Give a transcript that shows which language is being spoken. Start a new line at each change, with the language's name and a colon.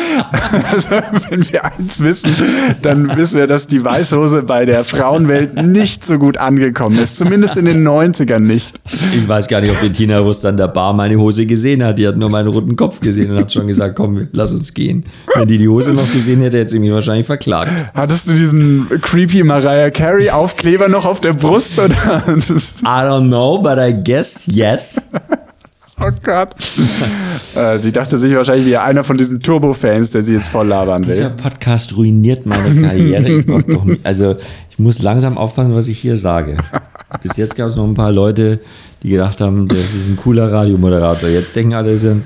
German: Also, wenn wir eins wissen, dann wissen wir, dass die Weißhose bei der Frauenwelt nicht so gut angekommen ist. Zumindest in den 90ern nicht. Ich weiß gar nicht, ob Bettina Wurst an der Bar meine Hose gesehen hat. Die hat nur meinen roten Kopf gesehen und hat schon gesagt, komm, lass uns gehen. Wenn die Hose noch gesehen hätte, hätte sie mich wahrscheinlich verklagt. Hattest du diesen creepy Mariah Carey Aufkleber noch auf der Brust? Oder?
English: I don't know, but I guess yes.
German: Oh Gott. Die dachte sich wahrscheinlich wie einer von diesen Turbo-Fans, der sie jetzt voll labern will. Dieser Podcast ruiniert meine Karriere. Ich muss langsam aufpassen, was ich hier sage. Bis jetzt gab es noch ein paar Leute, die gedacht haben, das ist ein cooler Radiomoderator. Jetzt denken alle, der ist ein